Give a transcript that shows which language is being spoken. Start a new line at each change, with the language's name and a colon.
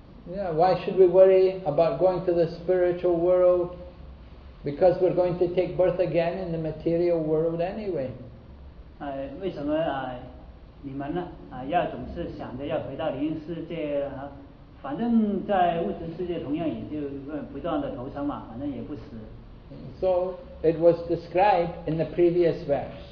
English: Yeah, why should we worry about going to the spiritual world? Because we're going to take birth again in the material world anyway.
Chinese: 为什么啊？你们呢要总是想着要回到灵世界啊，反正在物质世界同样也就不断的投生嘛，反正也不死。
English: So it was described in the previous verse.